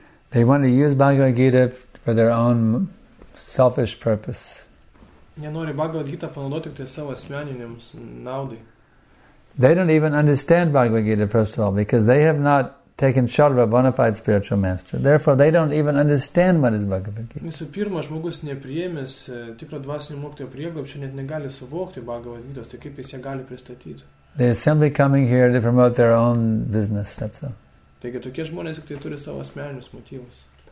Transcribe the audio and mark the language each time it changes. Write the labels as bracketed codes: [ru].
[en] They want to use Bhagavad Gita for their own selfish purpose. [lt] Jie nori Bhagavad Gita panaudoti tik tai savo asmeniniams naudai. [en] They don't even understand Bhagavad Gita, first of all, because they have not taken shelter of a bona fide spiritual master. Therefore, they don't even understand what is Bhagavad Gita. [lt] Visų pirma, žmogus nepriėmęs tikro dvasinio mokytojo prieglobsčio net negali suvokti Bhagavad Gitos, tai kaip jis ją gali pristatyti. [en] They are simply coming here to promote their own business, that's all. [lt] Taigi, tokie žmonės tik tai turi savo asmeninius motyvus.